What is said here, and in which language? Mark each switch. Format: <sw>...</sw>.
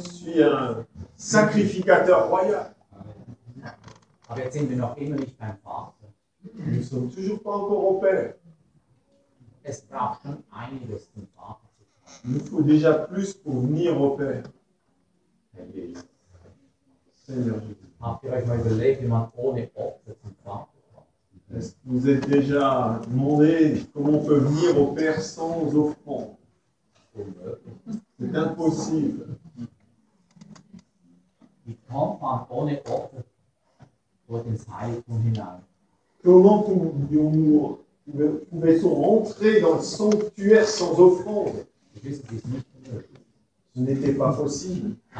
<fr>suis un sacrificateur royal.</fr> <de>Aber jetzt sind wir noch immer nicht beim Vater. Wir sind</de> <fr>toujours pas encore au Père.</fr> <de>Es braucht schon einiges, um Vater zu sein.</de> <fr>Il faut déjà plus pour venir au Père. Seigneur Jésus.</fr> <de>Habt ihr euch mal überlegt, wie man ohne Opfer zum Vater kommt?</de> <fr>Est-ce que vous êtes déjà demandé comment on peut venir au Père sans offrande? C'est impossible.</fr> <de>Wie kommt man ohne Opfer? Ins Heiligtum hinein.</de> <fr>Comment pouvait-on rentrer dans le sanctuaire sans offrande? Ce n'était pas possible.</fr>